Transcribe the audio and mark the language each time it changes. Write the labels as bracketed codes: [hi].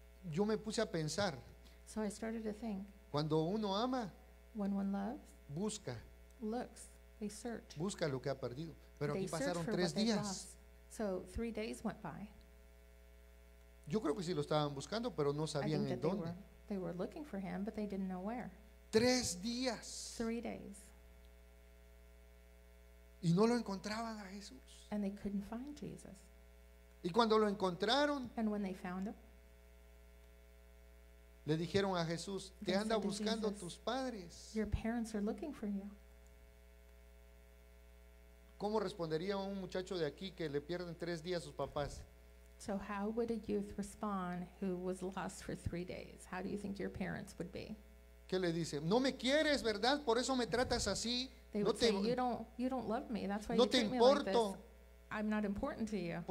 [es] Yo me puse a pensar. [en] So I started to think. [es] Cuando uno ama, [en] when one loves, [es] busca. [en] Looks, they search. [es] Busca lo que ha perdido. Pero [en] they [es] aquí pasaron tres días. [en] So 3 days went by. [es] Yo creo que sí lo estaban buscando, pero no sabían en dónde. [en] They were looking for him, but they didn't know where. [es] 3 días. [en] 3 days. [es] Y no lo encontraban a Jesús. [en] And they couldn't find Jesus. [es] Y cuando lo encontraron, [en] and when they found him, [es] le dijeron a Jesús, te anda buscando tus padres. [en] Your parents are looking for you. [es] ¿Cómo respondería un muchacho de aquí que le pierden 3 días a sus papás? [en] So how would a youth respond who was lost for 3 days? How do you think your parents would be? [es] ¿Qué le dice? No me quieres, ¿verdad? Por eso me tratas así. [en] They [es] no [en] would [es] te [en] say, you don't love me. That's why [es] no [en] you treat [es] importo. [en] Me like this. I'm not important to you.